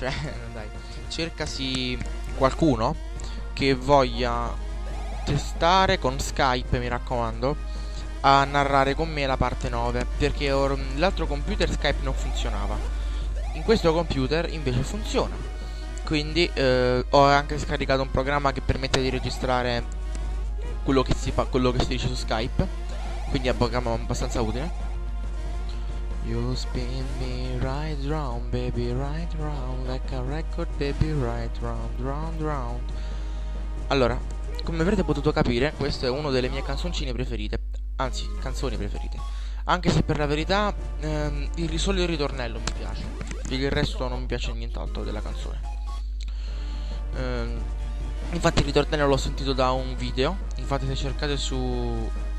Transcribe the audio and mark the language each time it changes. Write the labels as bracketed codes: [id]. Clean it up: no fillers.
[it] Cioè, dai, cercasi qualcuno che voglia testare con Skype, mi raccomando, a narrare con me la parte 9, perché l'altro computer Skype non funzionava. In questo computer invece funziona. Quindi ho anche scaricato un programma che permette di registrare quello che si fa, quello che si dice su Skype. Quindi è un programma abbastanza utile. [en] You spin me right round, baby, right round, like a record, baby, right round, round, round. [it] Allora, come avrete potuto capire, questo è uno delle mie canzoncine preferite. Anzi, canzoni preferite. Anche se per la verità il solo il ritornello mi piace. Il resto non mi piace nient'altro della canzone. Infatti il ritornello l'ho sentito da un video. Infatti se cercate su...